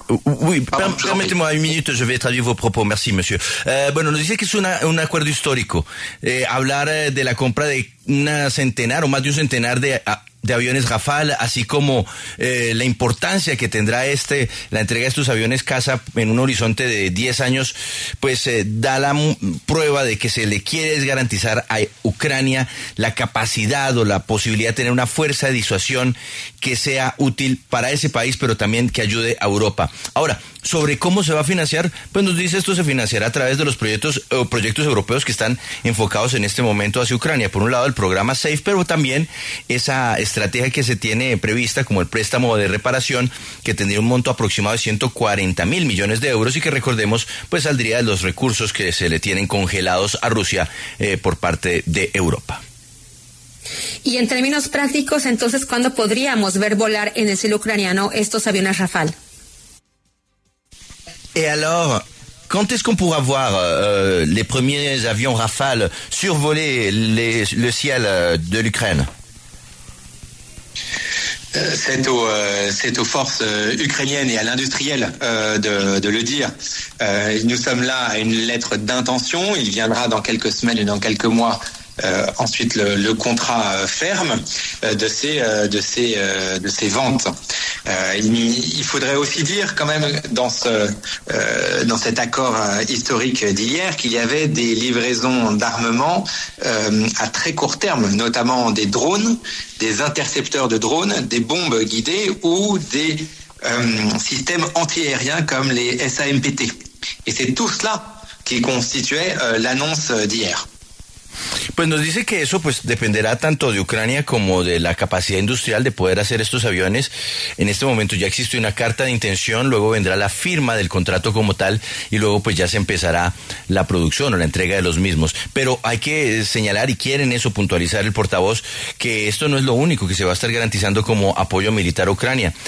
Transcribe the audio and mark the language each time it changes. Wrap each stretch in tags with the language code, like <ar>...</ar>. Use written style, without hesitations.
<fr>Oui, permettez-moi une minute, je vais traduire vos propos, merci monsieur.</fr> <es>Bueno, nos dice que es un acuerdo histórico. Hablar de la compra de una centenar o más de un centenar de aviones Rafale, así como la importancia que tendrá la entrega de estos aviones caza en un horizonte de 10 años, pues da la prueba de que se le quiere garantizar a Ucrania la capacidad o la posibilidad de tener una fuerza de disuasión que sea útil para ese país, pero también que ayude a Europa. Ahora, sobre cómo se va a financiar, pues nos dice esto se financiará a través de los proyectos europeos que están enfocados en este momento hacia Ucrania. Por un lado, el programa SAFE, pero también esa estrategia que se tiene prevista como el préstamo de reparación, que tendría un monto aproximado de 140 mil millones de euros y que, recordemos, pues saldría de los recursos que se le tienen congelados a Rusia por parte de Europa. Y en términos prácticos, entonces, ¿cuándo podríamos ver volar en el cielo ucraniano estos aviones Rafale?</es> <fr>Et alors, quand est-ce qu'on pourra voir les premiers avions Rafale survoler le ciel de l'Ukraine? C'est aux forces ukrainiennes et à l'industriel de le dire. Nous sommes là à une lettre d'intention. Il viendra dans quelques semaines et dans quelques mois ensuite le contrat ferme de ces ventes. Il faudrait aussi dire quand même dans cet accord historique d'hier qu'il y avait des livraisons d'armement à très court terme, notamment des drones, des intercepteurs de drones, des bombes guidées ou des systèmes antiaériens comme les SAMPT. Et c'est tout cela qui constituait l'annonce d'hier.</fr> <es>Pues nos dice que eso pues dependerá tanto de Ucrania como de la capacidad industrial de poder hacer estos aviones. En este momento ya existe una carta de intención, luego vendrá la firma del contrato como tal y luego pues ya se empezará la producción o la entrega de los mismos. Pero hay que señalar, y quieren eso puntualizar el portavoz, que esto no es lo único que se va a estar garantizando como apoyo militar a Ucrania.</es>